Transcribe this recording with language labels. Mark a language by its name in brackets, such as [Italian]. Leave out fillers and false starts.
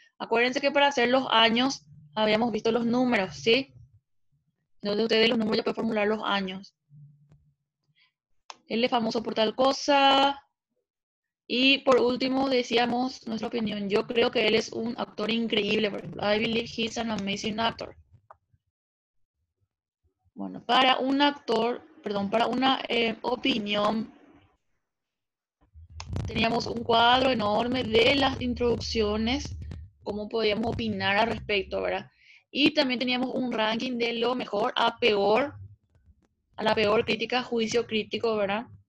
[Spanish] Acuérdense que para hacer los años habíamos visto los números, ¿sí? Entonces ustedes los números ya pueden formular los años. Él es famoso por tal cosa. Y por último decíamos nuestra opinión. Yo creo que él es un actor increíble, por ejemplo. [English] I believe he's an amazing actor. [Spanish] Bueno, para un actor, perdón, para una opinión, teníamos un cuadro enorme de las introducciones, cómo podíamos opinar al respecto, ¿verdad? Y también teníamos un ranking de lo mejor a peor, a la peor crítica, juicio crítico, ¿verdad?